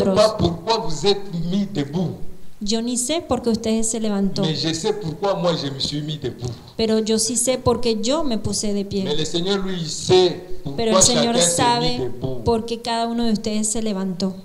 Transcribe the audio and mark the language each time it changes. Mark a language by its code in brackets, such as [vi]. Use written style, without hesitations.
[fr] Je ne sais pas pourquoi vous êtes mis debout. [es] Yo ni sé por qué usted se levantó. [fr] Mais je sais pourquoi moi je me suis mis debout. [es] Pero yo sí sé por qué yo me puse de pie. [fr] Mais le Seigneur lui sait [es] Pero el Señor sabe por qué cada uno de ustedes se levantó.